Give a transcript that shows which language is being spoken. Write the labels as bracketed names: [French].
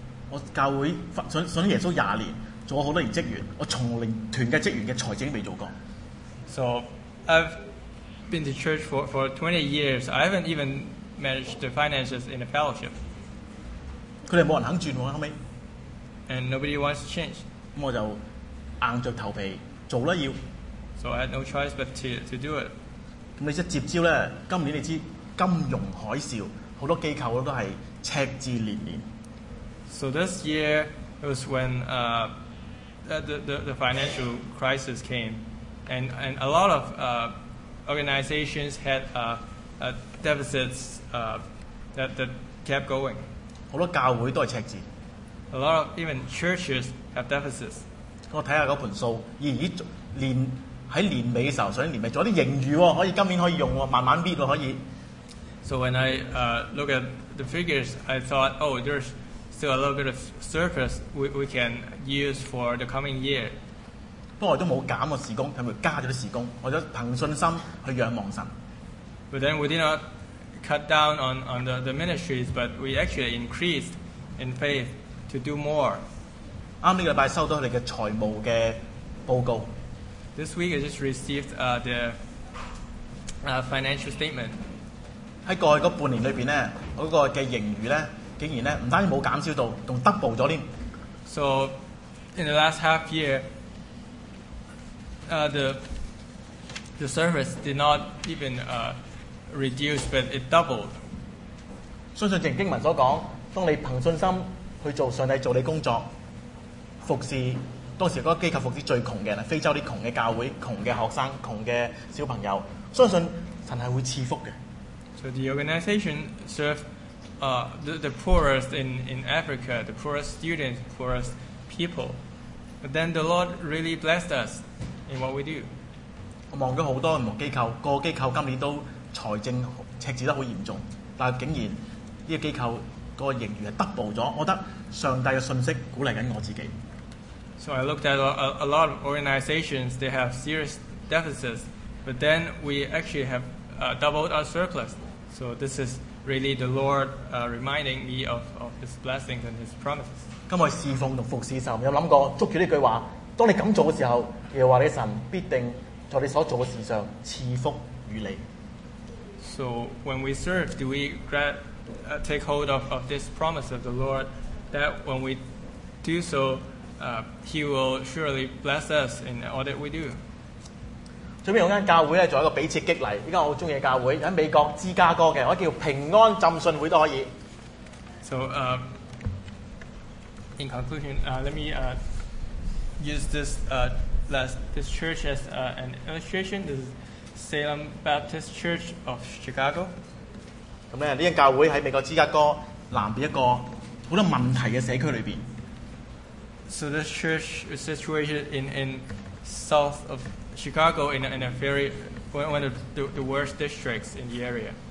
[Cantonese] 我教會信耶穌廿年，做過好多年職員，我從零團嘅職員嘅財政未做過。 [English] So I've been to church for 20 years. I haven't even managed the finances in a fellowship. [Cantonese] 佢哋冇人肯轉喎，後屘。 [English] And nobody wants to change. [Cantonese] 咁我就硬著頭皮做啦要。 [English] So I had no choice but to do it. [Cantonese] 咁你一接招咧，今年你知金融海嘯，好多機構都係赤字連連。 [English] So this year was when the financial crisis came, and a lot of organizations had deficits that kept going. [Cantonese] 好多教會都係赤字。 [English] A lot of even churches have deficits. [Cantonese] 我睇下嗰盤數，咦連。在年尾的時候，上年尾做一些盈餘，可以今年可以用，慢慢搣可以。 [English] So when I look at the figures, I thought, oh, there's still a little bit of surplus we can use for the coming year. [Cantonese] 不過我都冇減個事工，係咪加咗啲事工？我就憑信心去仰望神。 [English] But then we did not cut down on the ministries, but we actually increased in faith to do more. [Cantonese] 啱呢個禮拜收到佢哋嘅財務嘅報告。 [English] This week I just received the financial statement. [Cantonese] 在過去嗰半年裏邊咧，嗰個嘅盈餘咧，竟然咧唔單止冇減少到，仲 double 咗添。 [English] So in the last half year, the service did not even reduce, but it doubled. [Cantonese] 相信正如經文所講，當你憑信心去做上帝做你工作，服侍。當時嗰個機構服侍最窮嘅人，非洲啲窮嘅教會、窮嘅學生、窮嘅小朋友，相信神係會賜福嘅。 [English] So the organization served the poorest in Africa, the poorest students, poorest people. But then the Lord really blessed us in what we do. [Cantonese] 我望咗好多唔同機構，個機構今年都財政赤字得好嚴重，但竟然呢個機構個盈餘係 double 咗，我覺得上帝嘅信息鼓勵緊我自己。 [English] So I looked at a lot of organizations, they have serious deficits, but then we actually have doubled our surplus. So this is really the Lord reminding me of His blessings and His promises. [Cantonese] 今日侍奉同服侍神，有諗過捉住呢句話，當你咁做嘅時候，耶和華你神必定在你所做嘅事上賜福與你。 [English] So when we serve, do we take hold of this promise of the Lord that when we do so,He will surely bless us in all that we do. [Cantonese] 最尾有間教會咧，做一個彼此激勵。依家我好中意嘅教會喺美國芝加哥嘅，我叫平安浸信會都可以。 [English] So, in conclusion, let me use this church as an illustration. This is Salem Baptist Church of Chicago. [Cantonese] 咁咧，呢間教會喺美國芝加哥南邊一個好多問題嘅社區裏邊。 [English] So this church is situated in south of Chicago in a very one of the worst districts in the area.